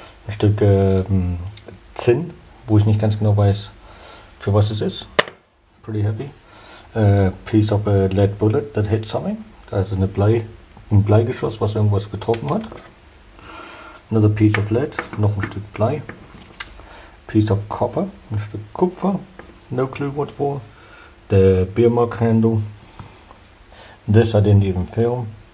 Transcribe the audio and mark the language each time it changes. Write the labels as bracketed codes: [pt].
[de] Ein Stück Zinn, wo ich nicht ganz genau weiß, für was es ist. [en] Pretty heavy. Piece of a lead bullet that hit something. [de] Also eine ein Bleigeschoss, was irgendwas getroffen hat. [en] Another piece of lead, [de] noch ein Stück Blei. [en] Piece of copper, [de] ein Stück Kupfer. [en] No clue what for. The beer mug handle. This I didn't even film.